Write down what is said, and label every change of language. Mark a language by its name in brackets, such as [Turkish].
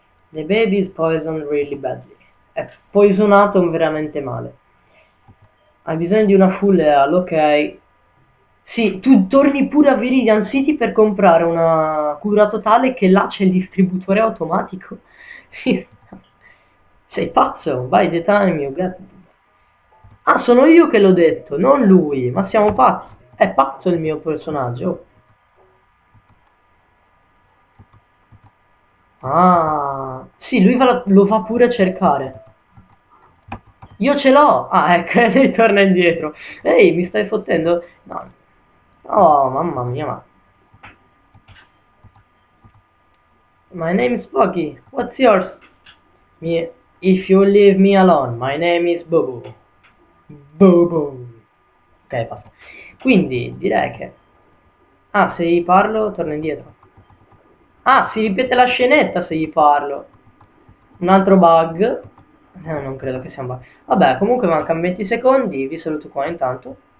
[English] The baby is poisoned really badly. [Italian] È poisonato veramente male. Hai bisogno di una [English] full heal, [Italian] ok. Sì, tu torni pure a Viridian City per comprare una cura totale che là c'è il distributore automatico. Sì. Sei pazzo? [English] By the time you get... [Italian] Ah, sono io che l'ho detto, non lui, ma siamo pazzi. È pazzo il mio personaggio. Ah, sì, lui lo fa pure a cercare. Io ce l'ho! Ah, ecco, lei torna indietro. Ehi, mi stai fottendo? No. Oh, mamma mia, ma... [English] My name is Foggy. What's yours? If you leave me alone, my name is Boo Boo. [Italian] Boo Boo. Ok, basta. Quindi, direi che... Ah, se gli parlo, torna indietro. Ah, si ripete la scenetta se gli parlo. Un altro bug. Non credo che sia un... Vabbè, comunque mancano 20 secondi, vi saluto qua intanto.